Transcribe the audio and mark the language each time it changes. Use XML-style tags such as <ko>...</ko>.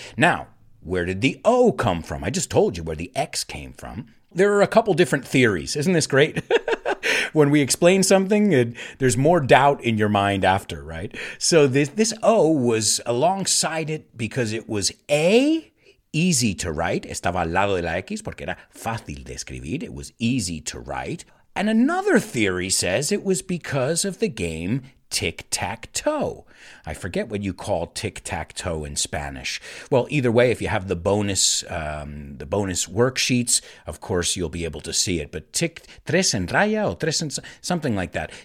<en>Now, where did the O come from? I just told you where the X came from. There are a couple different theories. Isn't this great? When we explain something, there's more doubt in your mind after, right? So this O was alongside it because it was A, easy to write.</en> <es>Estaba al lado de la X porque era fácil de escribir.</es> <en>It was easy to write. And another theory says it was because of the game tic-tac-toe. I forget what you call tic-tac-toe in Spanish. Well, either way, if you have the bonus worksheets, of course, you'll be able to see it. But</en> <es>tres en raya</es> <en>or tres en something like that.</en>